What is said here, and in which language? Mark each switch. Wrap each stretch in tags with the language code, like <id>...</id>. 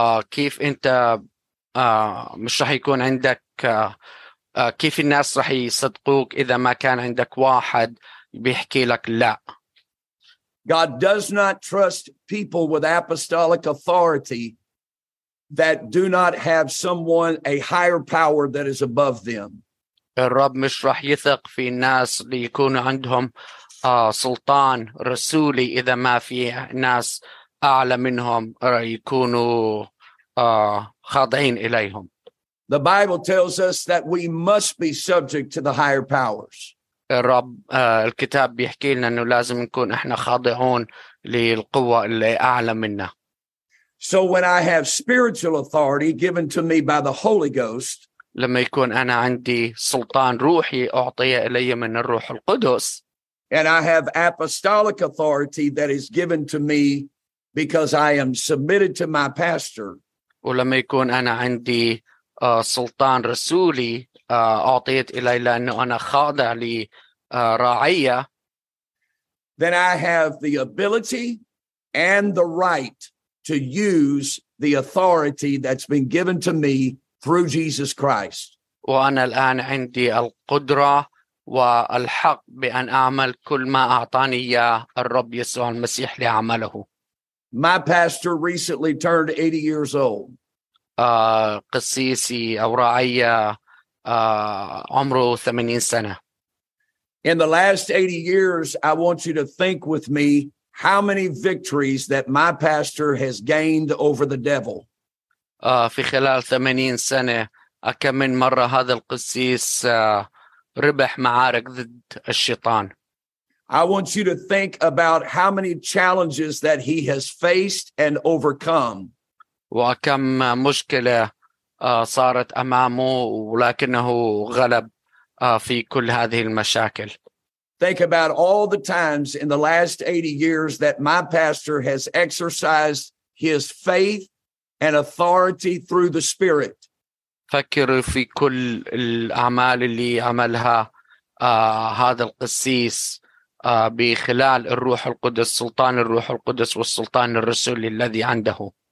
<ar>كيف انت مش رح يكون عندك كيف الناس رح يصدقوك اذا ما كان عندك واحد بيحكي لك لا.</ar> <en>God does not trust people with apostolic authority that do not have someone a higher power that is above them.</en> <ar>الرب مش رح يثق في الناس اللي يكونوا عندهم سلطان رسولي إذا ما في ناس أعلى منهم يكونوا خاضعين إليهم.</ar> <en>The Bible tells us that we must be subject to the higher powers.</en> <ar>الرب الكتاب بيحكي لنا إنه لازم نكون إحنا خاضعون للقوة اللي أعلى منا.</ar> <en>So when I have spiritual authority given to me by the Holy Ghost,</en> <ar>لما يكون أنا عندي سلطان روحي أعطيه إلي من الروح القدس,</ar> <en>and I have apostolic authority that is given to me because I am submitted to my pastor,</en> <ar>ولما يكون أنا عندي سلطان رسولي أعطيت إلي لأنه أنا خاضع لراعية,</ar> <en>then I have the ability and the right to use the authority that's been given to me through Jesus Christ.</en> <ar>وأنا الآن عندي القدرة والحق بأن أعمل كل ما أعطاني إياه الرب يسوع المسيح لعمله.</ar> <en>My pastor recently turned 80 years old.</en> <ar>قسيسي أو راعية عمره 80 سنة.</ar> <en>In the last 80 years, I want you to think with me how many victories that my pastor has gained over the devil.</en> <ar>في خلال 80 سنة كم من مرة هذا القسيس ربح معارك ضد الشيطان.</ar> <en>I want you to think about how many challenges that he has faced and overcome.</en> <ar>وكم مشكلة صارت أمامه ولكنه غلب في كل هذه المشاكل.</ar> <en>Think about all the times in the last 80 years that my pastor has exercised his faith and authority through the Spirit.</en> <ar>فكر في كل الأعمال اللي عملها هذا القسيس بخلال الروح القدس, سلطان الروح القدس والسلطان الرسولي الذي عنده.</ar>